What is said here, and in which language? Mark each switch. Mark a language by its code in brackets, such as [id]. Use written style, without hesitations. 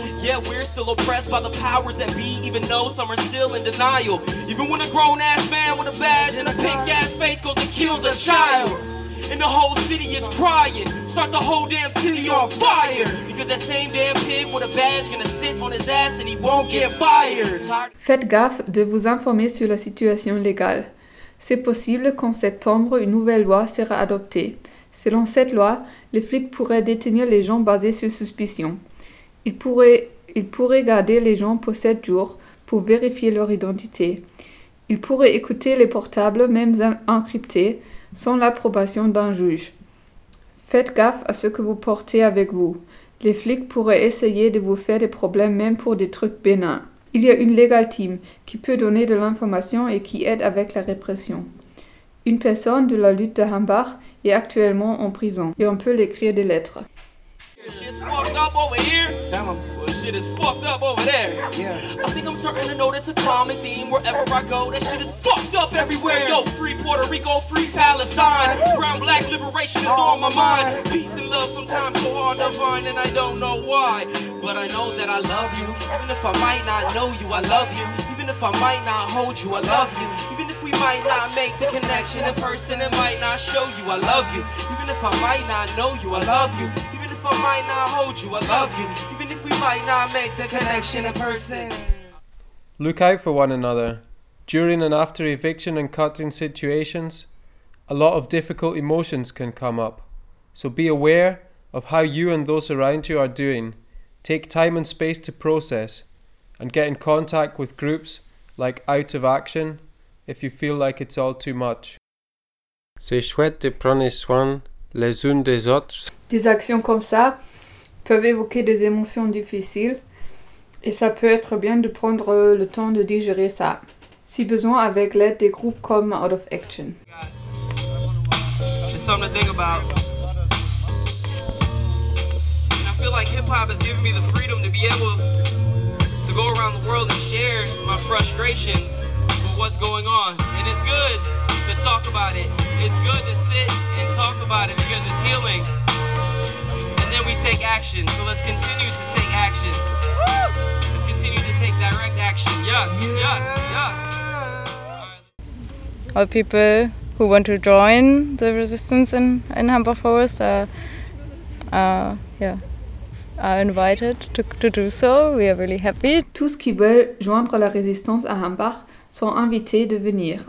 [en] Yeah, we're still oppressed by the powers that be, even though some are still in denial. Even when a grown-ass man with a badge and a pink-ass face goes and kills a child. And the whole city is crying. Start the whole damn city on fire. Because that same damn pig with a badge gonna sit on his ass and he won't get fired. [fr] Faites gaffe de vous informer sur la situation légale. C'est possible qu'en septembre, une nouvelle loi sera adoptée. Selon cette loi, les flics pourraient détenir les gens basés sur suspicion. Ils pourraient garder les gens pour 7 jours pour vérifier leur identité. Ils pourraient écouter les portables, même encryptés, sans l'approbation d'un juge. Faites gaffe à ce que vous portez avec vous. Les flics pourraient essayer de vous faire des problèmes même pour des trucs bénins. Il y a une legal team qui peut donner de l'information et qui aide avec la répression. Une personne de la lutte de Hambach est actuellement en prison et on peut l'écrire des lettres. [en] Shit's fucked up over here. Tell him. Well, shit is fucked up over there. Yeah. I think I'm starting to notice a common theme wherever I go. That shit is fucked up everywhere. Yo, free Puerto Rico, free Palestine. Brown black liberation is on my mind. Peace and love sometimes so hard to find, and I don't know why. But I know that I love you. Even if I might not know you, I love you. Even if I might not hold you, I love you. Even if we might not make the connection in person, it might not show you, I love you. Even if I might not know you, I love you. I might not hold you, I love you, even if we might not make the connection in person. Look out for one another. During and after eviction and cutting situations, a lot of difficult emotions can come up. So be aware of how you and those around you are doing. Take time and space to process and get in contact with groups like Out of Action if you feel like it's all too much. [fr] C'est chouette de prendre soin les unes des autres. Des actions comme ça peuvent évoquer des émotions difficiles et ça peut être bien de prendre le temps de digérer ça, si besoin avec l'aide des groupes comme Out of Action. [en] It's something to think about. And I feel like hip-hop has given me the freedom to be able to go around the world and share my frustration with what's going on. And it's good to talk about it. It's good to sit and talk about it because it's healing. And we take action, so let's continue to take action. Woo! Let's continue to take direct action. Yes, yes, yes. All people who want to join the resistance in Hambach Forest are invited to do so. We are really happy. [fr] Tous qui veulent joindre la résistance à Hambach sont invités de venir.